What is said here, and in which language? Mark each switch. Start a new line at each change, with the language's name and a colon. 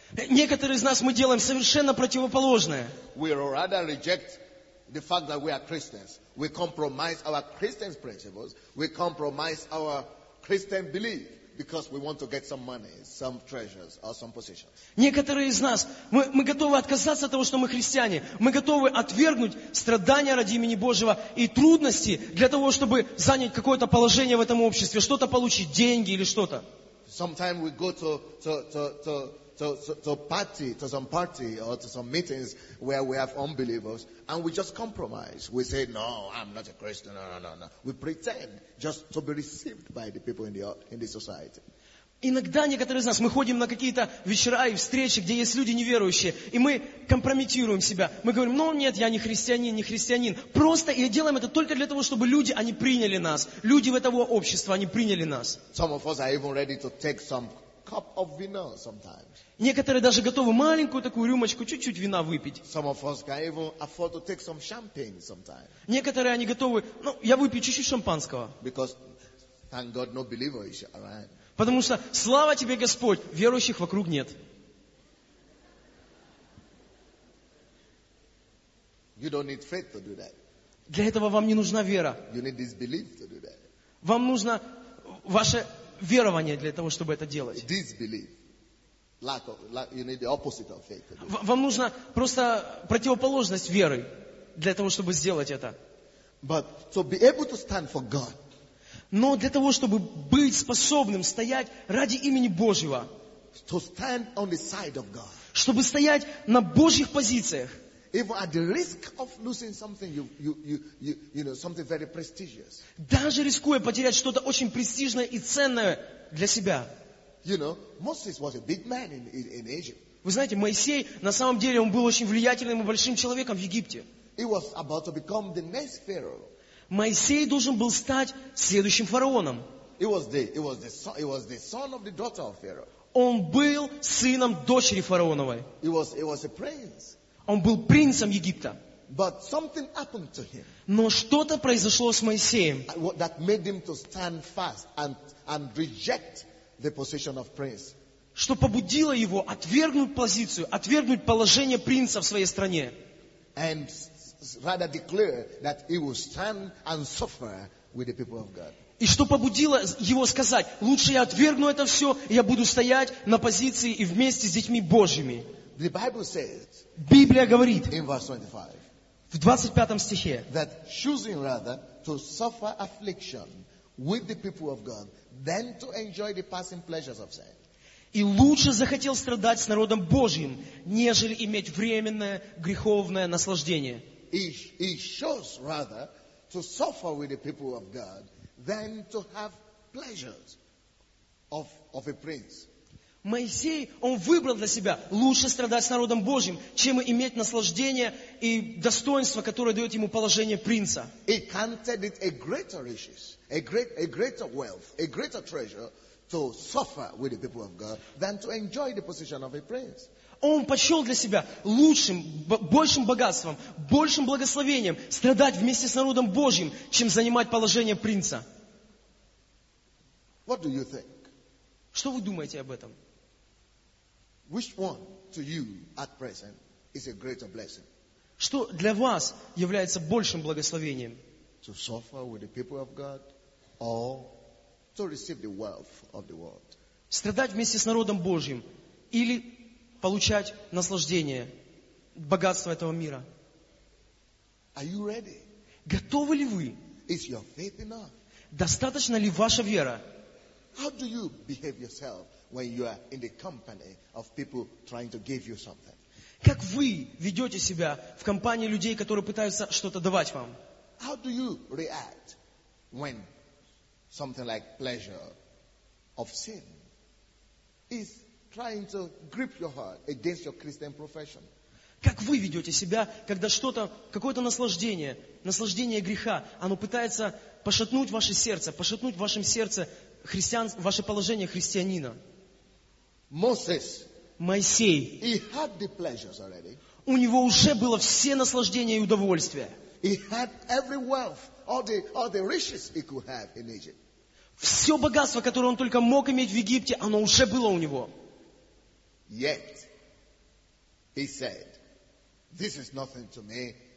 Russian: Некоторые из нас мы делаем совершенно противоположное.
English: We rather reject the fact that we are Christians. We compromise our Christian principles. We compromise our Christian belief. Because we want to get some money, some treasures, or some positions.
Russian: Некоторые из нас, мы готовы отказаться от того, что мы христиане. Мы готовы отвергнуть страдания ради имени Божьего и трудности для того, чтобы занять какое-то положение в этом обществе, что-то получить, деньги или что-то.
English: Sometimes we go to party, to some party or to some meetings where we have unbelievers, and we just compromise. We say, no, I'm not a Christian, no. We pretend just to be received by the people in the society.
Russian: Иногда некоторые из нас, мы ходим на какие-то вечера и встречи, где есть люди неверующие, и мы компрометируем себя. Мы говорим, ну нет, я не христианин. Просто и делаем это только для того, чтобы люди, они приняли нас. Люди в этого общества, они приняли нас.
English: Some of us are even ready to take some cup of vino sometimes.
Russian: Некоторые даже готовы маленькую такую рюмочку, чуть-чуть вина выпить.
English: Some of us can even afford to take some champagne sometimes.
Russian: Некоторые, они готовы, ну, я выпью чуть-чуть шампанского.
English: Because, thank God, no believers around.
Russian: Потому что, слава тебе, Господь, верующих вокруг нет.
English: You don't need faith to do that.
Russian: Для этого вам не нужна вера.
English: You need this belief to do that.
Russian: Вам нужно ваше верование для того, чтобы это делать.
English: This belief. You need the opposite of faith to do that.
Russian: Вам нужна просто противоположность веры для того, чтобы сделать это.
English: But to be able to stand for God.
Russian: Но для того, чтобы быть способным стоять ради имени Божьего.
English: To stand on the side of God.
Russian: Чтобы стоять на Божьих позициях.
English: Even at the risk of losing something you know, something very prestigious.
Russian: Даже рискуя потерять что-то очень престижное и ценное для себя.
English: You know, Moses was a big man in Egypt.
Russian: Вы знаете, Моисей на самом деле он был очень влиятельным и большим человеком в Египте.
English: He was about to become the next pharaoh.
Russian: Моисей должен был стать следующим фараоном.
English: He was the son of the daughter of Pharaoh.
Russian: Он был сыном дочери фараоновой.
English: He was a prince.
Russian: Он был принцем Египта.
English: But something happened to him.
Russian: Но что-то произошло с Моисеем.
English: That made him to stand fast and reject the position of prince.
Russian: Что побудило его отвергнуть позицию, отвергнуть положение принца в своей стране.
English: And rather declare that he will stand and suffer with the people of God.
Russian: И что побудило его сказать: лучше я отвергну это все, и я буду стоять на позиции и вместе с детьми Божьими.
English: The Bible says,
Russian: Библия говорит
English: in verse 25,
Russian: в 25 стихе,
English: that choosing rather to suffer affliction with the people of God than to enjoy the passing pleasures of sin.
Russian: И лучше захотел страдать с народом Божьим, нежели иметь временное греховное наслаждение.
English: He chose rather to suffer with the people of God than to have pleasures of a prince.
Russian: Моисей, он выбрал для себя лучше страдать с народом Божьим, чем иметь наслаждение и достоинство, которое дает ему положение принца.
English: He counted it a greater riches, a greater wealth, a greater treasure to suffer with the people of God than to enjoy the position of a prince.
Russian: Он почел для себя лучшим, большим богатством, большим благословением страдать вместе с народом Божьим, чем занимать положение принца.
English: What do you think?
Russian: Что вы думаете об этом?
English: Which one to you at present is a greater blessing?
Russian: Что для вас является большим благословением?
English: To suffer with the people of God or to receive the wealth of the world?
Russian: Страдать вместе с народом Божьим или получать наслаждение, богатство этого мира?
English: Are you ready?
Russian: Готовы ли вы?
English: Is your faith enough?
Russian: Достаточно ли ваша вера?
English: How do you behave yourself when you are in the company of people trying to give you something?
Russian: Как вы ведете себя в компании людей, которые пытаются что-то давать вам?
English: How do you react when something like pleasure of sin is trying to grip your heart against your Christian profession?
Russian: Как вы ведете себя, когда что-то, какое-то наслаждение, наслаждение греха, оно пытается пошатнуть ваше сердце, пошатнуть в вашем сердце ваше положение христианина?
English: Moses,
Russian: Моисей,
English: he had the pleasures already.
Russian: У него уже было все наслаждения и удовольствия.
English: He had every wealth, all the riches he could have in Egypt.
Russian: Все богатство, которое он только мог иметь в Египте, оно уже было у него.
English: Yet, he said, this is nothing to me.